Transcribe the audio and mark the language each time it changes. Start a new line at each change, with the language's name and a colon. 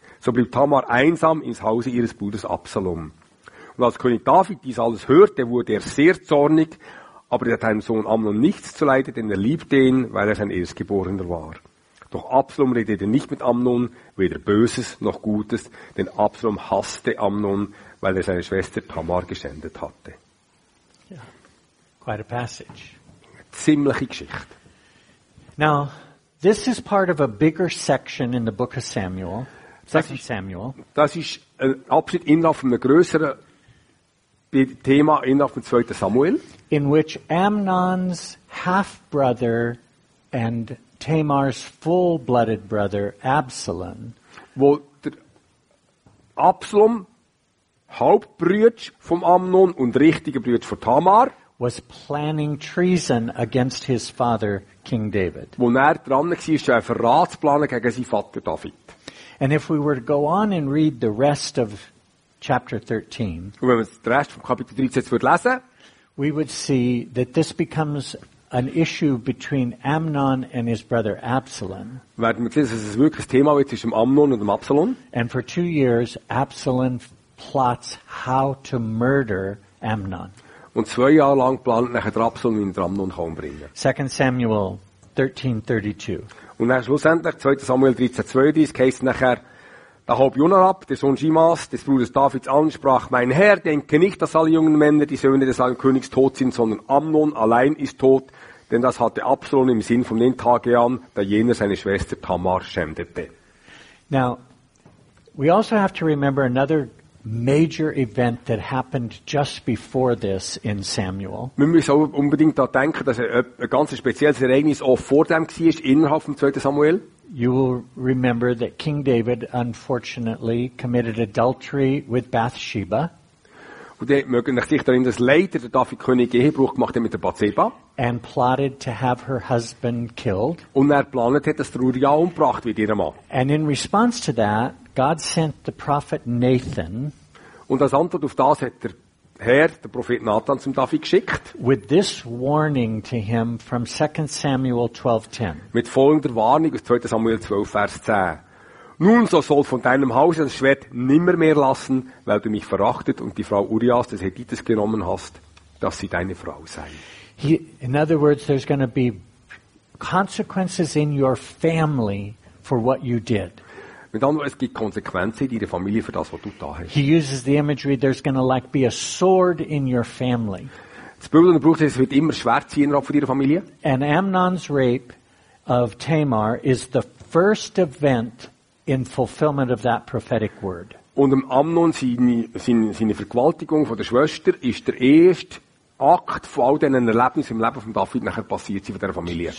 German: So blieb Tamar einsam ins Hause ihres Bruders Absalom. Und als König David dies alles hörte, wurde er sehr zornig, aber er hat seinem Sohn Amnon nichts zu leiden, denn er liebte ihn, weil er sein Erstgeborener war. Doch Absalom redete nicht mit Amnon, weder Böses noch Gutes, denn Absalom hasste Amnon, weil er seine Schwester Tamar geschändet hatte.
English: Yeah. Quite a passage.
German: Eine ziemliche Geschichte.
English: Now, this is part of a bigger section in the book of Samuel, 2 Samuel.
German: Das ist ein Abschnitt innerhalb einer größeren Thema innerhalb von 2. Samuel.
English: In which Amnon's half-brother and Tamar's full-blooded brother Absalom,
German: wo der Absalom Hauptbrüder vom Amnon und richtiger Brüder von Tamar,
English: was planning treason against his father King David.
German: Wo er dran war, ist ein Verratsplan gegen seinen Vater David.
English: And if we were to go on and read the rest of chapter 13.
German: Und wenn wir den Rest vom Kapitel 13 jetzt lesen,
English: we would see that this becomes an issue between Amnon and his brother Absalom.
German: Werden wir sehen, dass es wirklich ein Thema wird zwischen Amnon und Absalom.
English: And for 2 years, Absalom plots how to murder Amnon.
German: Und 2 Jahre lang plant nachher Absalom ihn Amnon umbringen.
English: 2 Samuel 13:32.
German: Und dann schlussendlich 2. Samuel 13:32 heißt nachher Da hob Jonadab, der Sohn Schimas, des Bruders Davids an, sprach: Mein Herr, denke nicht, dass alle jungen Männer, die Söhne des alten Königs, tot sind, sondern Amnon allein ist tot, denn das hatte Absalom im Sinn von den Tagen an, da jener seine Schwester Tamar schändete.
English: Now, we also have to remember another major event that happened just before this in Samuel.
German: Wir müssen auch unbedingt daran denken, dass ein ganz spezielles Ereignis auch vor dem war, innerhalb von 2. Samuel.
English: You will remember that King David unfortunately committed adultery with Bathsheba.
German: Und ihr mögt euch daran erinnern, dass leider der David-König Ehebruch gemacht hat mit der Bathsheba.
English: And plotted to have her husband killed.
German: Und er plant hat, dass der Uriah umgebracht wird, ihrem Mann.
English: And in response to that, God sent the prophet Nathan.
German: Und als Antwort auf das hat der Herr, der Prophet Nathan, zum David geschickt.
English: With this warning to him from 2 Samuel 12:10.
German: Mit folgender Warnung aus 2. Samuel 12, Vers 10. Nun, so soll von deinem Haus das Schwert nimmer mehr lassen, weil du mich verachtet und die Frau Urias des Hethites genommen hast, dass sie deine Frau sei.
English: In other words, there's going to be consequences in your family for what you did.
German: Mit anderen Worten, es gibt Konsequenzen in deiner Familie für das, was du da hast.
English: He uses the imagery, there's going to like be a sword in your family.
German: Das Bild, das du brauchst, es wird immer Schwert sein innerhalb von deiner Familie.
English: And Amnon's rape of Tamar is the first event in fulfillment of that prophetic word.
German: Und Amnon, seine Vergewaltigung von der Schwester, ist der erste Akt von all diesen Erlebnissen im Leben von David nachher passiert sie von dieser Familie.